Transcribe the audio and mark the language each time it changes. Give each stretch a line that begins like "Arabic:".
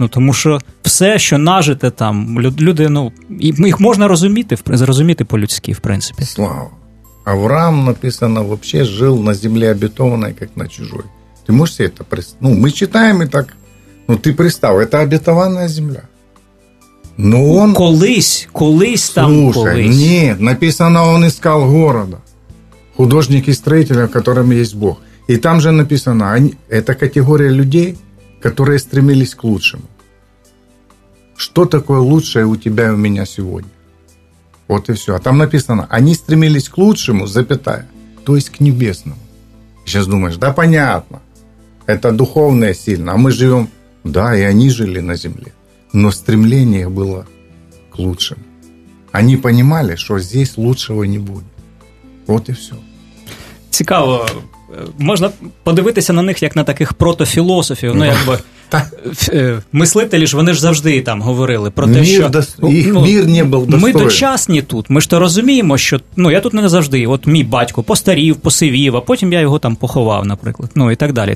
Ukrainian: Ну, тому що все, що нажите там, люди, ну, їх можна розуміти, зрозуміти по-людськи, в принципі. Слава. Авраам, написано, взагалі жив на землі обітованій, як на чужій. Ти можеш себе це представити? Ну, ми читаємо і так, ну, ти представ, це обітована земля. Ну, он... Колись там
Russian: слушай,
Ukrainian: колись. Ні,
Russian: написано, он искал города. Художник и строитель, в котором есть Бог. И там же написано, это категория людей, которые стремились к лучшему. Что такое лучшее у тебя и у меня сегодня? Вот и все. А там написано, они стремились к лучшему, запятая, то есть к небесному. Сейчас думаешь, да понятно, это духовное сильно. А мы живем, да, и они жили на земле. Но стремление было к лучшему. Они понимали, что здесь лучшего не будет. Вот и все.
Ukrainian: Цікаво. Можна подивитися на них, як на таких протофілософів. Ну, якби, мислителі ж, вони ж завжди там говорили про те, що... Їх мир не був достойний. Ми дочасні тут, ми ж то розуміємо, що... Ну, я тут не завжди. От мій батько постарів, посивів, а потім я його там поховав, наприклад. Ну, і так далі.